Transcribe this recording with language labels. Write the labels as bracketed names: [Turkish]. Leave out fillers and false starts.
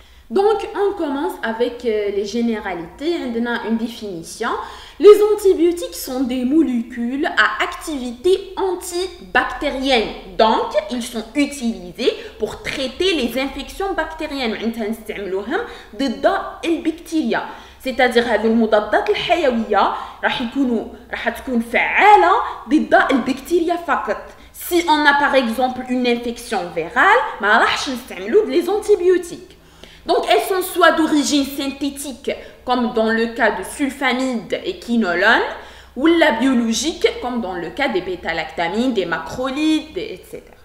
[French] Donc, on commence avec les généralités, donnant une définition. Les antibiotiques sont des molécules à activité antibactérienne. Donc, ils sont utilisés pour traiter les infections bactériennes. On peut les utiliser contre les bactéries. C'est-à-dire que les molécules [Arabic] حيويه راح تكون فعاله ضد البكتيريا فقط. [French] Si on a par exemple une infection virale, [Arabic] ma rahch nstamlou [French] les antibiotiques. Donc elles sont soit d'origine synthétique comme dans le cas de sulfamide et quinolone ou la biologique comme dans le cas des bêta-lactamines, des macrolides, etc.